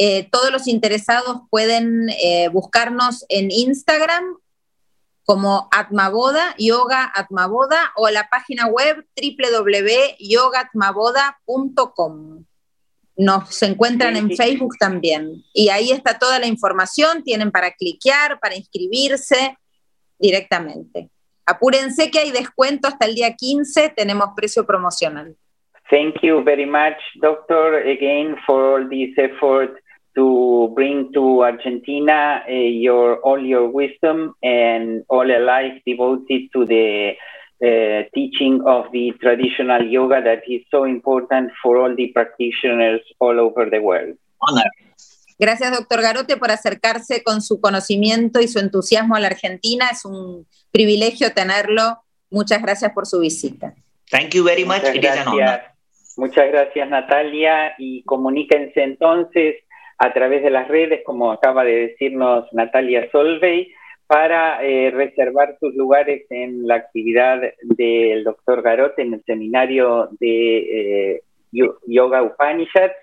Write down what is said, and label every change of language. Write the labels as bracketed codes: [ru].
[es] Todos los interesados pueden buscarnos en Instagram como Atmaboda, Yoga Atmaboda, o la página web www.yogaatmaboda.com. Nos encuentran en Facebook también. Y ahí está toda la información, tienen para cliquear, para inscribirse directamente. Apúrense que hay descuento hasta el día 15, tenemos precio promocional. [en] Thank you very much, doctor, again for all this effort to bring to Argentina all your wisdom and all a life devoted to the teaching of the traditional yoga that is so important for all the practitioners all over the world. Honor. [es] Gracias, doctor Garote, por acercarse con su conocimiento y su entusiasmo a la Argentina. Es un privilegio tenerlo. Muchas gracias por su visita. [en] Thank you very much. [es] Muchas gracias. Muchas gracias, Natalia. Y comuníquense entonces a través de las redes, como acaba de decirnos Natalia Solvay, para reservar sus lugares en la actividad del doctor Garote en el seminario de Yoga Upanishads.